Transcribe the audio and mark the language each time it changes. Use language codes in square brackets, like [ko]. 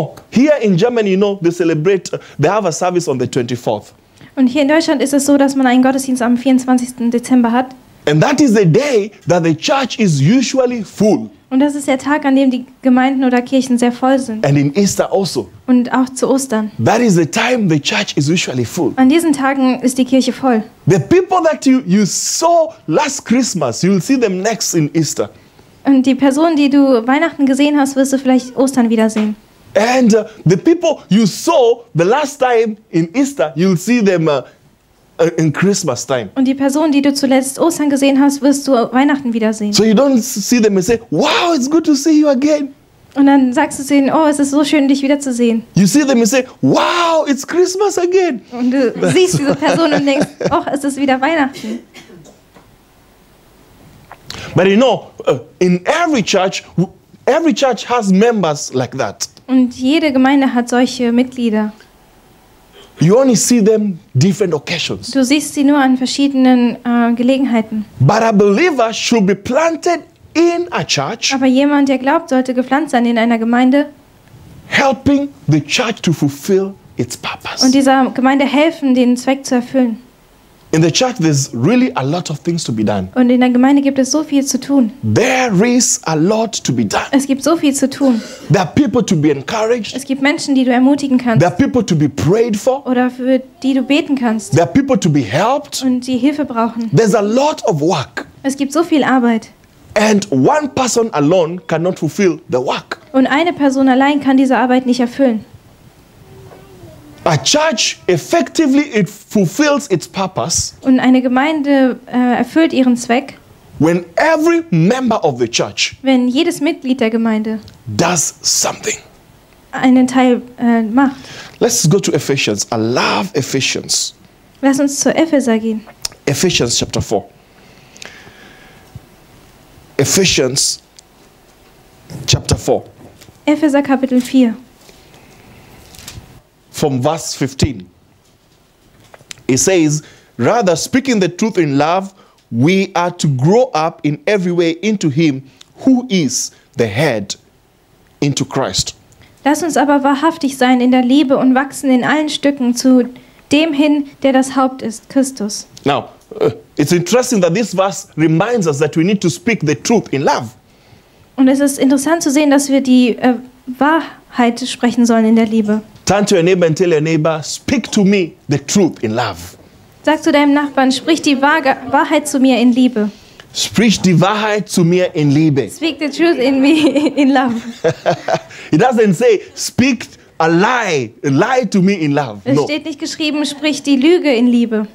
[en] Here in Germany, you know, they celebrate, they have a service on the 24th. [de] Und hier in Deutschland ist es so, dass man einen Gottesdienst am 24. Dezember hat. [en] And that is the day that the church is usually full. [de] Und das ist der Tag, an dem die Gemeinden oder Kirchen sehr voll sind. [en] And in Easter also. [de] Und auch zu Ostern. [en] That is the time the church is usually full. [de] An diesen Tagen ist die Kirche voll. [en] The people that you saw last Christmas, you will see them next in Easter. [de] Und die Personen, die du Weihnachten gesehen hast, wirst du vielleicht Ostern wiedersehen. [en] And the people you saw the last time in Easter, you'll see them in Christmas time. [de] Und die Personen, die du zuletzt Ostern gesehen hast, wirst du Weihnachten wiedersehen. [en] So you don't see them and say, wow, it's good to see you again. [de] Und dann sagst du zu ihnen, oh, es ist so schön, dich wiederzusehen. [en] You see them and say, wow, it's Christmas again. [de] Und du That's siehst diese Person und denkst, oh, es ist wieder Weihnachten. [en] But you know, in every church has members like that. [de] Und jede Gemeinde hat solche Mitglieder. [en] You only see them different occasions. [de] Du siehst sie nur an verschiedenen Gelegenheiten. [en] But a believer should be planted in a church. [de] Aber jemand, der glaubt, sollte gepflanzt sein in einer Gemeinde. [en] Helping the church to fulfill its purpose. [de] Und dieser Gemeinde helfen, den Zweck zu erfüllen. [en] In the church there's really a lot of things to be done. [de] Und in der Gemeinde gibt es so viel zu tun. [en] There is a lot to be done. [de] Es gibt so viel zu tun. [en] There are people to be encouraged. [de] Es gibt Menschen, die du ermutigen kannst. [en] There are people to be prayed for. [de] Oder für die du beten kannst. [en] There are people to be helped. [de] Und die Hilfe brauchen. [en] There's a lot of work. [de] Es gibt so viel Arbeit. [en] And one person alone cannot fulfill the work. [de] Und eine Person allein kann diese Arbeit nicht erfüllen. [en] A church effectively it fulfills its purpose. [de] Und eine Gemeinde erfüllt ihren Zweck. [en] When every member of the church. [de] Wenn jedes Mitglied der Gemeinde. [en] Does something. [de] Einen Teil macht. [en] Let's go to Ephesians. I love Ephesians. [de] Lass uns zu Epheser gehen. [en] Ephesians chapter 4. Ephesians chapter 4. [de] Epheser Kapitel 4. [en] From verse 15, it says, rather speaking the truth in love, we are to grow up in every way into him who is the head, into Christ. [de] Lass uns aber wahrhaftig sein in der Liebe und wachsen in allen Stücken zu dem hin, der das Haupt ist, Christus. [en] Now, it's interesting that this verse reminds us that we need to speak the truth in love. [de] Und es ist interessant zu sehen, dass wir die Wahrheit sprechen sollen in der Liebe. [en] Turn to your neighbor and tell your neighbor, speak to me the truth in love. [de] Sag zu deinem Nachbarn, sprich die Wahrheit zu mir in Liebe. Sprich die Wahrheit zu mir in Liebe. [en] Speak the truth in me in love. It doesn't say speak a lie to me in love. [de] Es steht nicht geschrieben, sprich die Lüge in Liebe.